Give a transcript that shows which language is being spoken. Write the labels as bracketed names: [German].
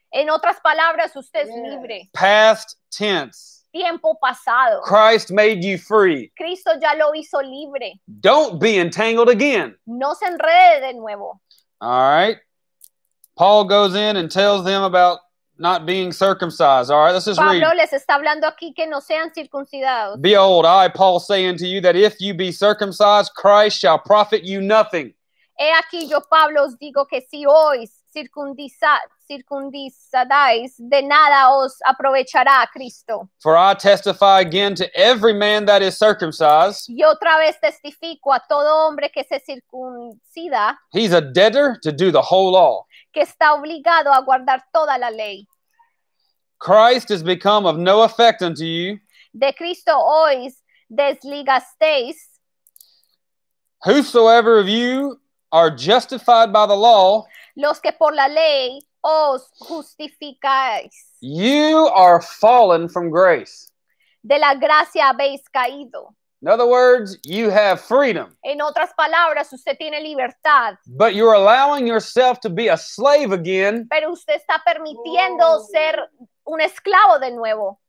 [Spanish] En otras palabras, usted es libre. [English] Past tense. [Spanish] Tiempo pasado. [English] Christ made you free. [Spanish] Cristo ya lo hizo libre. [English] Don't be entangled again. [Spanish] No se enrede de nuevo. [English] All right. Paul goes in and tells them about not being circumcised. All right, let's just [Spanish] Pablo [English] read. [Spanish] Pablo les está hablando aquí que no sean circuncidados. [English] Behold, I, Paul, say unto you that if you be circumcised, Christ shall profit you nothing. [Spanish] He aquí yo, Pablo, os digo que si hoy circuncidáis, de nada os aprovechará Cristo. [English] For I testify again to every man that is circumcised. [Spanish] Y otra vez testifico a todo hombre que se circuncida. [English] He's a debtor to do the whole law. [Spanish] Que está obligado a guardar toda la ley. [English] Christ has become of no effect unto you. [Spanish] De Cristo hoy desligasteis. [English] Whosoever of you are justified by the law. [Spanish] Los que por la ley os justificáis. [English] You are fallen from grace. [Spanish] De la gracia habéis caído. [English] In other words, you have freedom. [Spanish] En otras palabras, usted tiene libertad. [English] But you're allowing yourself to be a slave again. [Spanish] Pero usted está permitiendo ser un esclavo de nuevo.